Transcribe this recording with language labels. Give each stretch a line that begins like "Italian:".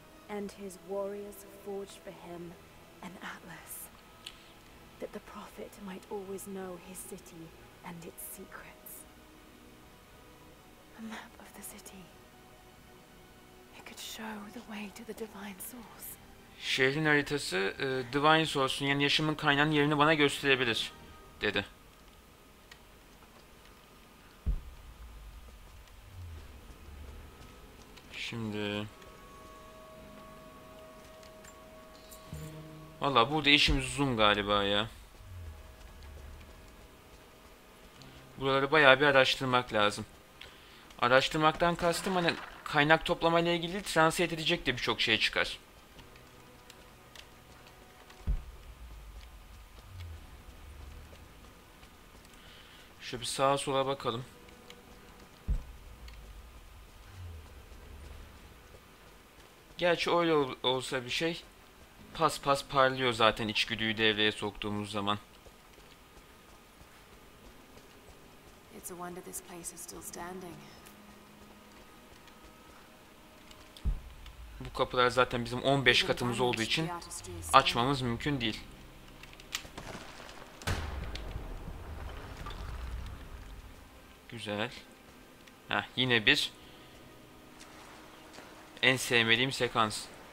English: And his warriors forged for him an atlas. that the prophet might always know his city and its secrets. A map of the city. It could show the way to the divine source.
Turkish: Şehrin haritası, divine source'un yani yaşamın kaynağının yerini bana gösterebilir, dedi. Şimdi vallahi burada işimiz uzun galiba ya. Buraları bayağı bir araştırmak lazım. Araştırmaktan kastım hani kaynak toplamayla ilgili translate edecek de birçok şey çıkar. Şöyle bir sağa sola bakalım. Gerçi öyle olsa bir şey pas pas parlıyor zaten içgüdüyü devreye soktuğumuz zaman.
English: It's a wonder this place is still standing.
Turkish: Bu kapılar zaten bizim 15 katımız olduğu için açmamız mümkün değil. Güzel. Heh, yine bir en sevmediğim sekans.